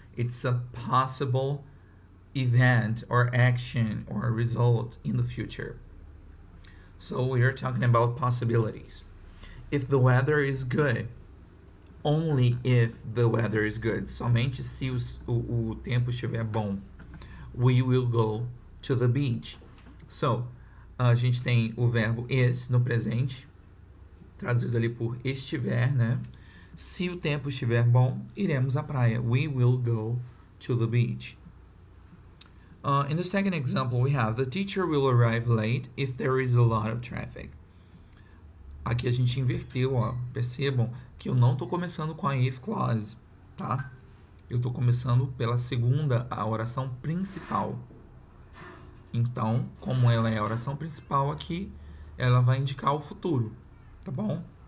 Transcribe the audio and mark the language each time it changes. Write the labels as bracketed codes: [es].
[en] It's a possible event or action or result in the future. So we are talking about possibilities. If the weather is good, only if the weather is good, [pt] somente se o tempo estiver bom, [en] we will go to the beach. [pt] So, a gente tem o verbo is no presente, traduzido ali por estiver, né? Se o tempo estiver bom, iremos à praia. [en] We will go to the beach. In the second example, we have the teacher will arrive late if there is a lot of traffic. [pt] Aqui a gente inverteu, ó. Percebam que eu não estou começando com a if clause, tá? Eu estou começando pela segunda, a oração principal. Então, como ela é a oração principal aqui, ela vai indicar o futuro, tá bom?